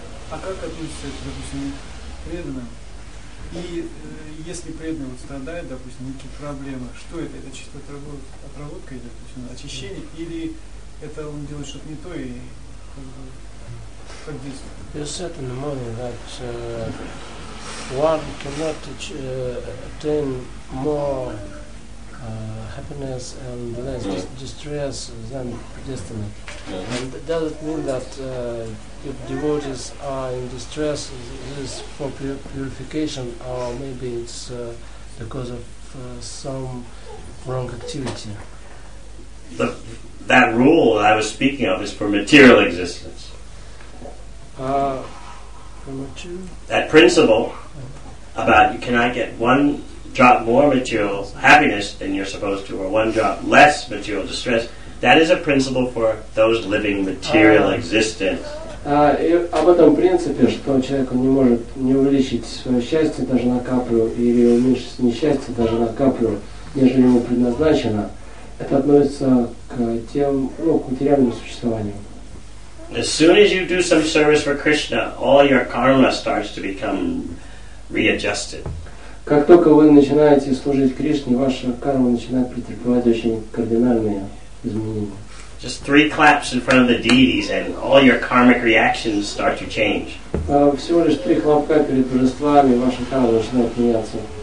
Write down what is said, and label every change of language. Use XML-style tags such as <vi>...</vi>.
<ru>А как относится это, допустим, к преданным? И если преданный вот страдает, допустим, какие-то проблемы, что это? Это чисто отработка идет, допустим, очищение? Или это он делает что-то не то и как действует?</ru> <en>You said in the morning that one cannot attain more happiness and less distress than predestined. Mm-hmm. And does it mean that if devotees are in distress, this is for purification, or maybe it's because of some wrong activity? That rule I was speaking of is for material existence. That principle about you cannot get one drop more material happiness than you're supposed to, or one drop less material distress, that is a principle for those living material existence.</en> <ru>Об этом принципе, что человек не может не увеличить свое счастье даже на каплю, или уменьшить несчастье даже на каплю, нежели ему предназначено, это относится к тем, ну, к материальному существованию.</ru> <en>As soon as you do some service for Krishna, all your karma starts to become readjusted.</en> <ru>Как только вы начинаете служить Кришне, ваша карма начинает претерпевать очень кардинальные изменения.</ru> <en>Just three claps in front of the deities and all your karmic reactions start to change.</en> <ru>Всего лишь три хлопка перед божествами, ваша карма начинает меняться.</ru>